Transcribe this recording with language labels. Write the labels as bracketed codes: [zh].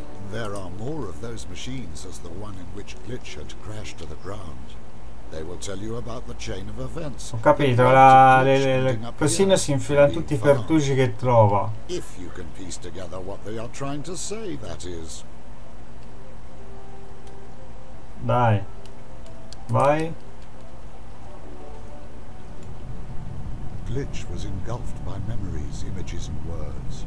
[en] There are more of those machines as the one in which Glitch had crashed to the ground. They will tell you about the chain of events. [it] Ho capito, le cosine si infilano tutti i pertugi che trova. [en] If you can piece together what they are trying to say, that is. [it] Dai. Vai. [en] Glitch was engulfed by memories, images and words.